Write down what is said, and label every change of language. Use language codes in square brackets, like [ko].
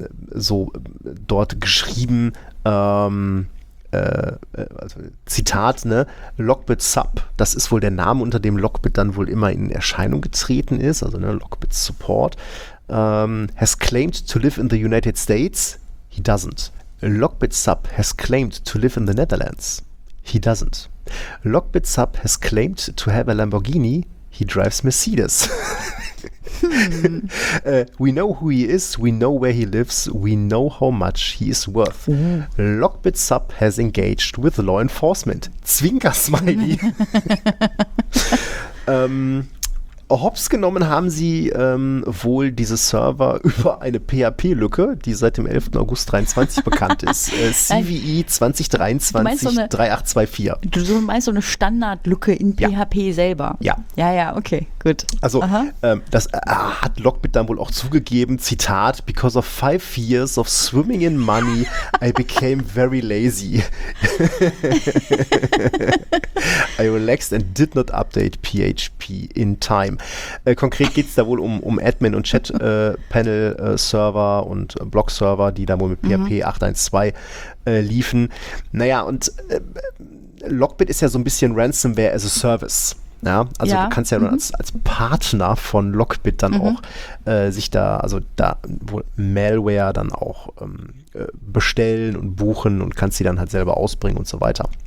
[de] so dort geschrieben, also Zitat, ne, Lockbit Sub, das ist wohl der Name, unter dem Lockbit dann wohl immer in Erscheinung getreten ist, also ne, Lockbit Support, [en] has claimed to live in the United States, he doesn't. Lockbit Sub has claimed to live in the Netherlands, he doesn't. Lockbit Sub has claimed to have a Lamborghini, he drives Mercedes. we know who he is, we know where he lives, we know how much he is worth. Mhm. Lockbit Sub has engaged with law enforcement. [de] Zwinker-Smiley. hops genommen haben sie wohl diese Server über eine PHP-Lücke, die seit dem 11. August 2023 bekannt ist. CVE 2023-3824. Du meinst so eine Standardlücke in PHP selber? Ja. Ja, ja, okay, gut. Also das hat Lockbit dann wohl auch zugegeben, Zitat, [en] because of 5 years of swimming in money, I became very lazy. I relaxed and did not update PHP in time. [de] Konkret geht es da wohl um Admin- und Chat-Panel-Server und Blog-Server, die da wohl mit PHP 8.1.2 liefen. Naja, und Lockbit ist ja so ein bisschen Ransomware as a Service. Ja? Also ja. Du kannst ja als Partner von Lockbit dann auch sich da, also da wohl Malware dann auch bestellen und buchen und kannst sie dann halt selber ausbringen und so weiter.